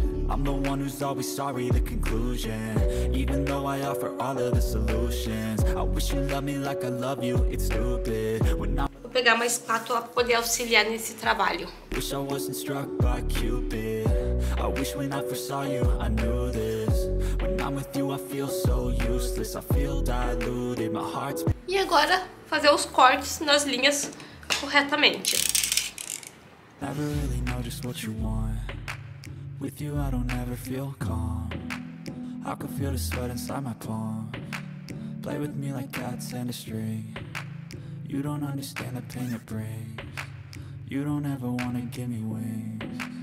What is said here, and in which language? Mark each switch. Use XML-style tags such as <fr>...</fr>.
<en>I'm the one who's always sorry, the conclusion. Even though I offer all of the solutions. I wish you loved me like I love you, it's stupid.</en> <pt>Vou pegar uma espátula pra poder auxiliar nesse trabalho.</pt> <en>Wish I wasn't struck by Cupid. I wish when I first saw you, I knew this. When I'm with you, I feel so useless. I feel diluted, my heart's...</en> <pt>E agora, fazer os cortes nas linhas corretamente.</pt> <en>Never really know just what you want. With you I don't ever feel calm. I can feel the sweat inside my palm. Play with me like cats and a string. You don't understand the pain it brings. You don't ever wanna give me wings.</en>